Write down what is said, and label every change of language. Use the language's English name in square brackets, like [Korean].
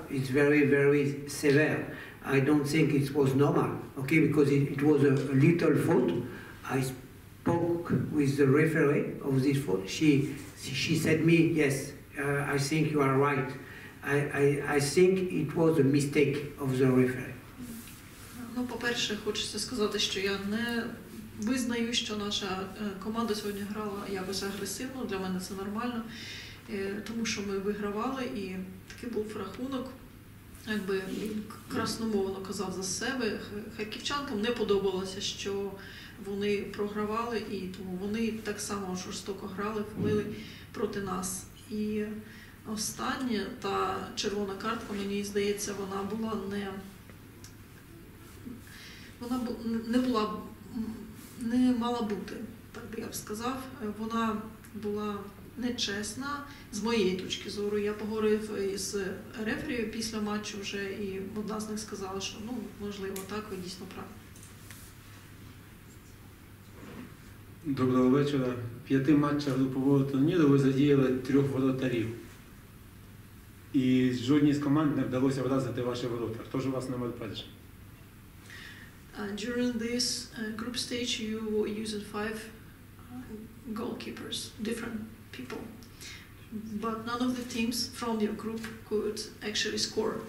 [English] It's very, very severe. I don't think it was normal, okay, because it was a little fault. I spoke with the referee of this fault. She said me, yes, I think you are right. I think it was a mistake of the referee. [Ukrainian] Ну, по-перше, хочеться сказати, що я не визнаю, що наша команда сьогодні грала якось агресивно, для мене це нормально, тому що ми вигравали, і такий був рахунок, якби він красномовно казав за себе. Харківчанкам не подобалося, що вони програвали, і тому вони так само жорстоко грали, вбили проти нас. І остання, та червона картка, мені здається, вона була не... Вона не була... не мала бути, так би я б сказав. Вона була нечесна, з моєї точки зору. Я поговорив із рефері після матчу вже, і одна з них сказала, що, ну, можливо, так, ви дійсно праві. Доброго вечора. В 5 матчах групового турніру ви задіяли 3 воротарів. І жодній з команд не вдалося вразити ваші ворота. Хто ж у вас номер перший? [English] During this group stage, you used 5 goalkeepers, different people. But none of the teams from your group could actually score.